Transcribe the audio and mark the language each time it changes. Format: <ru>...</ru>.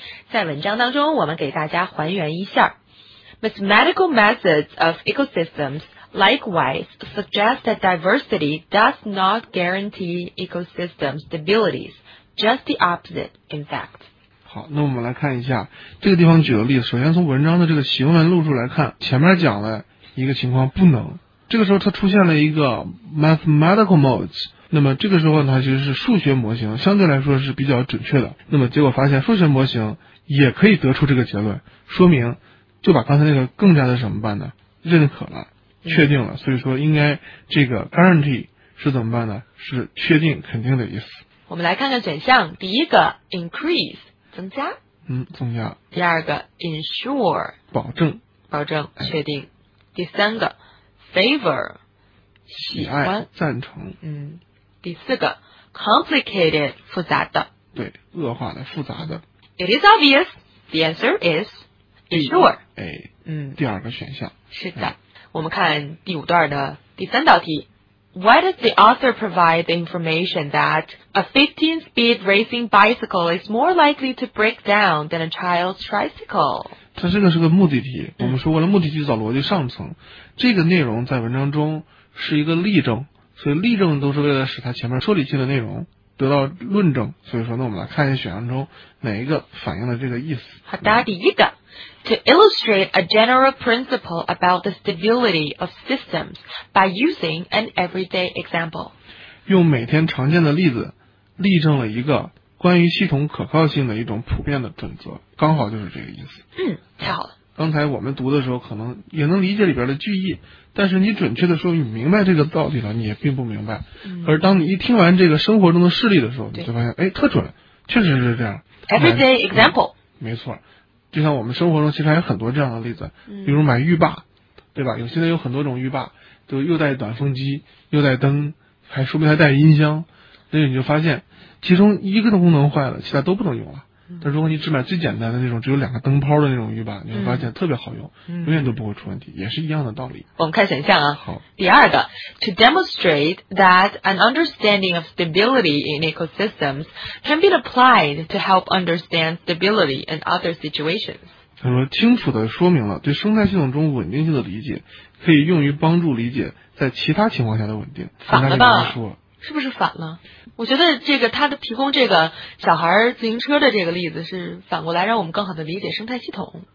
<zh>在文章当中我们给大家还原一下。</zh> <en>Mathematical methods of ecosystems likewise suggest that diversity does not guarantee ecosystem stabilities. Just the opposite, in fact.</en> <zh>好，那我们来看一下这个地方举的例子。首先从文章的这个行文路数来看，前面讲了一个情况不能，这个时候它出现了一个</zh> <en>mathematical modes，</en> <zh>那么这个时候它其实是数学模型，相对来说是比较准确的。那么结果发现数学模型也可以得出这个结论，说明就把刚才那个更加的什么办呢？认可了，确定了。所以说应该这个 guarantee 是怎么办呢？是确定肯定的意思。我们来看看选项，第一个 increase增加，增加。第二个 ，ensure，保证，保证，确定。哎、第三个 ，favor，喜爱，赞成。第四个 ，complicated， 复杂的，对，恶化的，复杂的。</zh> <en>It is obvious. The answer is ensure.</en> <zh>第二个选项。是的、哎，我们看第五段的第三道题。</zh> <en>Why does the author provide the information that a 15-speed racing bicycle is more likely to break down than a child's tricycle?</en> <zh>它这个是个目的题，我们说过了，目的题找逻辑上层。这个内容在文章中是一个例证，所以例证都是为了使它前面说理性的内容得到论证。所以说，那我们来看一下选项中哪一个反映了这个意思。好的，第一个。</zh> <en>To illustrate a general principle about the stability of systems by using an everyday example.</en> <zh>用每天常见的例子例证了一个关于系统可靠性的一种普遍的准则，刚好就是这个意思。太好了。刚才我们读的时候可能也能理解里边的句意，但是你准确的说你明白这个道理了，你也并不明白。而当你一听完这个生活中的事例的时候，你就发现哎，特准，确实是这样。</zh> <en>Everyday example.</en> <zh>没错。就像我们生活中其实还有很多这样的例子，比如买浴霸，对吧？现在有很多种浴霸，就又带暖风机，又带灯，还说不定还带音箱。那你就发现，其中一个的功能坏了，其他都不能用了。但如果你只买最简单的那种，只有两个灯泡的那种浴霸，你会发现特别好用，永远都不会出问题，也是一样的道理。我们看选项啊。好。第二个</zh> <en>，to demonstrate that an understanding of stability in ecosystems can be applied to help understand stability in other situations。</en> <zh>他说，清楚的说明了对生态系统中稳定性的理解，可以用于帮助理解在其他情况下的稳定。反了吧？是不是反了？我觉得这个他的提供这个小孩自行车的这个例子是反过来让我们更好的理解生态系统。</zh>